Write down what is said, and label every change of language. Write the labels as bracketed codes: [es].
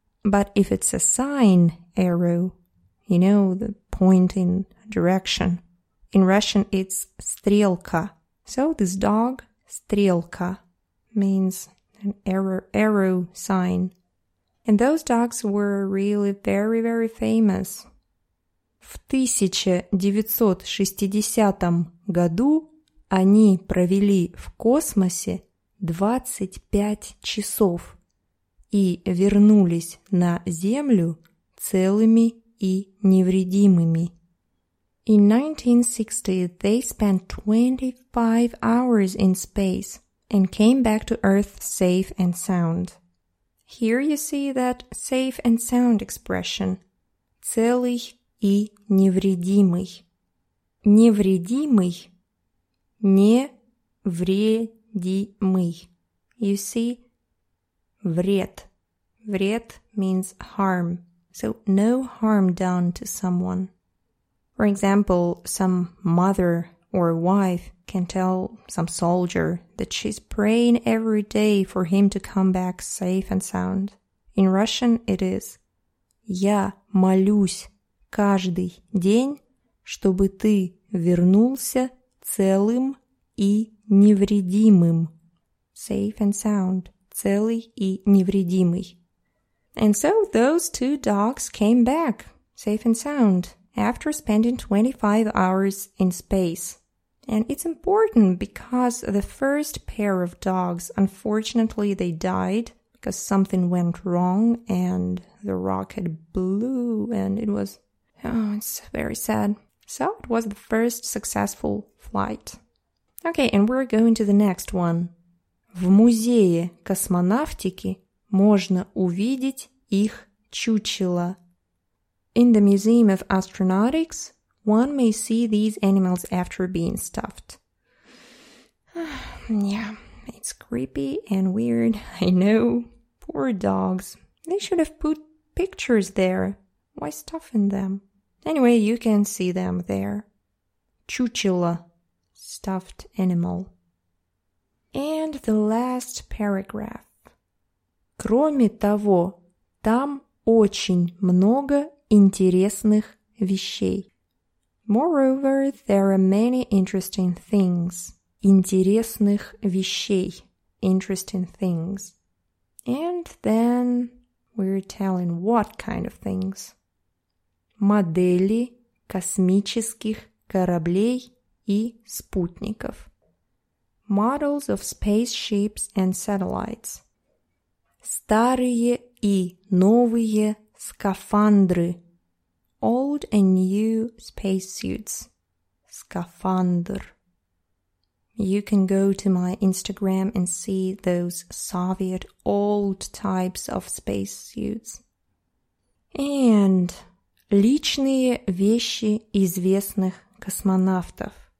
[en] But if it's a sign arrow, you know, the pointing direction, in Russian it's стрелка. So this dog, стрелка, means an arrow sign. And those dogs were really very, very famous. [ru] В 1960 году они провели в космосе 25 часов и вернулись на Землю целыми и невредимыми. [en] In 1960, they spent 25 hours in space and came back to Earth safe and sound. Here you see that safe and sound expression. [ru] Целый и невредимый. Невредимый. Невредимый. [en] You see, вред. Вред means harm. So no harm done to someone. For example, some mother or wife can tell some soldier that she's praying every day for him to come back safe and sound. In Russian, it is [ru] Я молюсь каждый день, чтобы ты вернулся целым и невредимым. [en] Safe and sound. [ru] Целый и невредимый. [en] And so those two dogs came back, safe and sound, after spending 25 hours in space. And it's important because the first pair of dogs, unfortunately, they died because something went wrong and the rocket blew and it was, oh, it's very sad. So it was the first successful flight. Okay, and we're going to the next one. [ru] В музее космонавтики можно увидеть их чучело. [en] In the Museum of Astronautics, one may see these animals after being stuffed. Yeah, it's creepy and weird, I know. Poor dogs. They should have put pictures there. Why stuffing them? Anyway, you can see them there. [ru] Чучело. [en] Stuffed animal. And the last paragraph. [ru] Кроме того, там очень много интересных вещей. [en] Moreover, there are many interesting things. [ru] Интересных вещей. [en] Interesting things. And then we're telling what kind of things. [ru] Модели космических кораблей и спутников. [en] Models of spaceships and satellites. [ru] Старые и новые скафандры. [en] Old and new spacesuits. Скафандр. You can go to my Instagram and see those Soviet old types of spacesuits. And [ru] личные вещи известных космонавтов.